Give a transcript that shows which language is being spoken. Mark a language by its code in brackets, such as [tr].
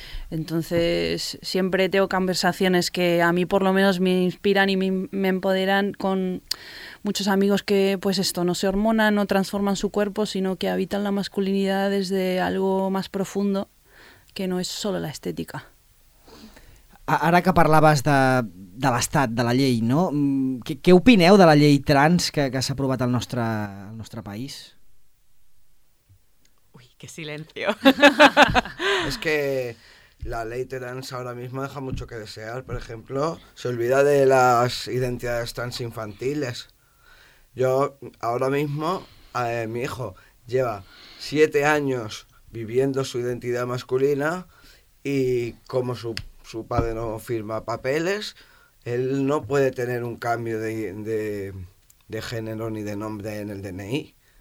[es] Entonces, siempre tengo conversaciones que a mí por lo menos me inspiran y me empoderan con muchos amigos que, pues esto, no se hormonan, no transforman su cuerpo, sino que habitan la masculinidad desde algo más profundo, que no es solo la estética. [ca] Ara que parlaves de l'estat, de la llei, no? Què opineu de la llei trans que s'ha aprovat al nostre país? [es] Ui, qué silencio. Es que la ley trans ahora mismo deja mucho que desear. Por ejemplo, se olvida de las identidades trans infantiles. Yo ahora mismo, mi hijo lleva 7 años viviendo su identidad masculina y como su padre no firma papeles, él no puede tener un cambio de género ni de nombre en el DNI.